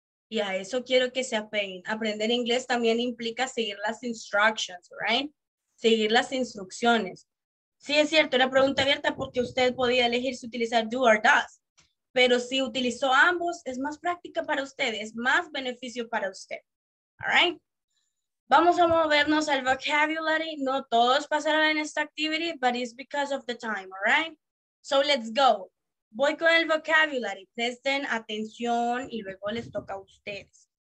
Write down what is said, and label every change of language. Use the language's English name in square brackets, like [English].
[Spanish] Y a eso quiero que se apeguen. Aprender inglés también implica seguir las [English] instructions, right? [Spanish] Seguir las instrucciones. Sí, es cierto, era pregunta abierta porque usted podía elegir si utilizar [English] do or does. [Spanish] Pero si utilizó ambos, es más práctica para usted, es más beneficio para usted. [English] All right? [Spanish] Vamos a movernos al vocabulary. No todos pasaron en esta [English] activity, but it's because of the time, all right? So let's go. [Spanish] Voy con el vocabulary. Presten atención y luego les toca a ustedes.